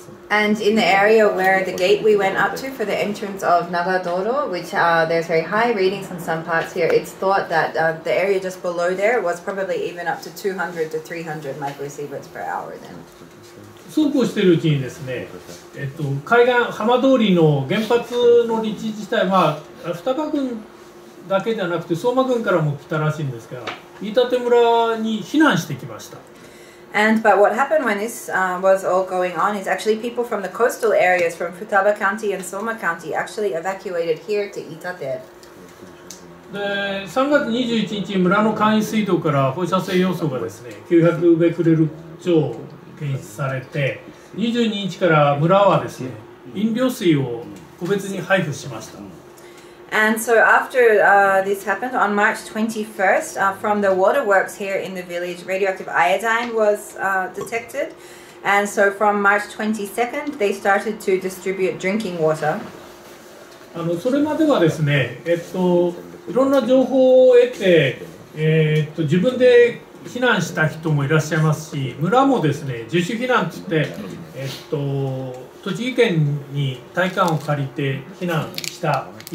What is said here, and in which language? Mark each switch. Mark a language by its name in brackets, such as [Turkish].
[English] And in the area where the gate we went up to for the entrance of Nagadoro, which there's very high readings in some parts here, it's thought that the area just below there was probably even up to 200 to 300 microsieverts per hour then. [Japanese] そうこうしているうちにですね、海岸浜通りの原発の立地自体、まあ双葉郡だけじゃなくて相馬郡からも来たらしいんですが、飯舘村に避難してきました。 [English] And but what happened when this was all going on is actually people from the coastal areas from Futaba County and Soma County actually evacuated here to Itate. [Japanese] で、3月21日に村の簡易水道から放射性要素がですね、900ベクレル超検出されて、22日から村はですね、飲料水を個別に配布しました。 [English] And so after this happened on March 21st, from the waterworks here in the village, radioactive iodine was detected. And so from March 22nd, they started to distribute drinking water. [Japanese] あの、それまではですね、いろんな情報を得て、自分で避難した人もいらっしゃいますし、村もですね、自主避難って言って、栃木県に体感を借りて避難した。